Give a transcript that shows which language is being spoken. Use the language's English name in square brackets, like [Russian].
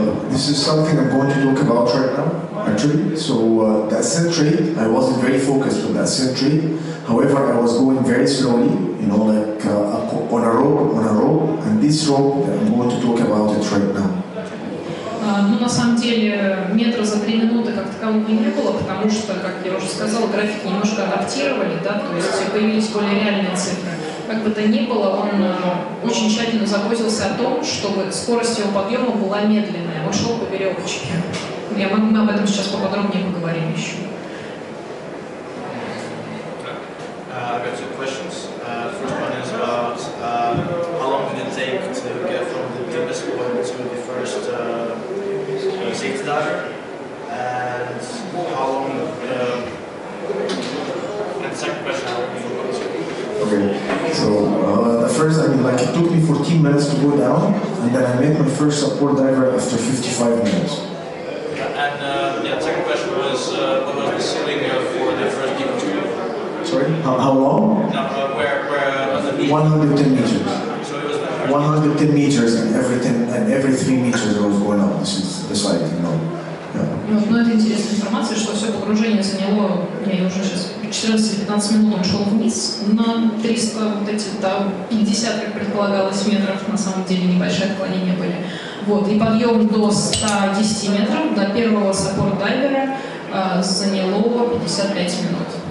[English] This is something I'm going to talk about right now, actually. So that's a trade. I wasn't very focused on that trade. However, I was going very slowly, you know, like on a rope, and this rope that I'm going to talk about it right now. [Russian] Ну, на самом деле, метра за три минуты как такового не было, потому что, как я уже сказала, графики немножко адаптировали, да, то есть появились более реальные цифры. Как бы то ни было, он очень тщательно заботился о том, чтобы скорость его подъема была медленная. Он шел по веревочке. Мы об этом сейчас поподробнее поговорим еще. [English] I've got two questions. First one is about how long did it take to get from the deepest point to the first safety diver, and how long, and the second question, how long before it was? Okay, so the first, I mean, like, it took me 14 minutes to go down, and then I made my first support diver after 55 minutes. And yeah, the second question was, what was the ceiling for the first deep tube? Sorry, how long? No, where was the meter? 110 meters. 110 meters and every 3 meters I was going up. This is the site, you know. Yeah. [Russian] Ну, это интересная информация, что все погружение заняло, я уже сейчас 14-15 минут он шел вниз на 300, вот эти, да, 50, как предполагалось, метров, на самом деле небольшие отклонения были. Вот, и подъем до 110 метров, до первого саппорт-дайвера заняло 55 минут.